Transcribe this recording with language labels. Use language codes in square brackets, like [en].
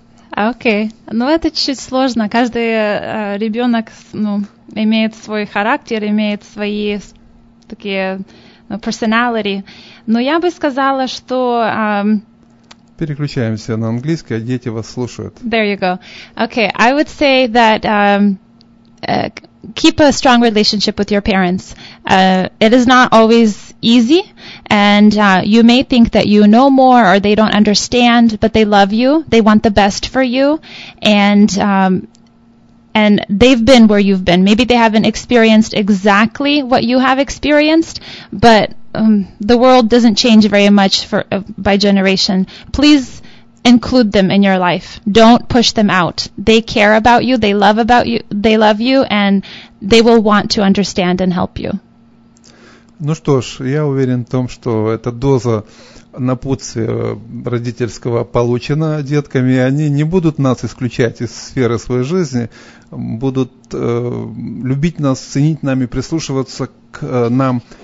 [ru] Окей. Ну, это чуть сложно. Каждый ребенок имеет свой характер, имеет свои такие personality. Но я бы сказала, что... Переключаемся на английский, а дети вас слушают. [en] There you go. Okay, I would say that keep a strong relationship with your parents. It is not always easy, and you may think that you know more or they don't understand, but they love you, they want the best for you, and they've been where you've been. Maybe they haven't experienced exactly what you have experienced, but the world doesn't change very much for by generation. Please include them in your life. Don't push them out. They care about you, they love about you, they love you, and they will want to understand and help you. [ru] Ну что ж, я уверен в том, что эта доза напутствия родительского получена детками, и они не будут нас исключать из сферы своей жизни, будут любить нас, ценить нами, прислушиваться к нам.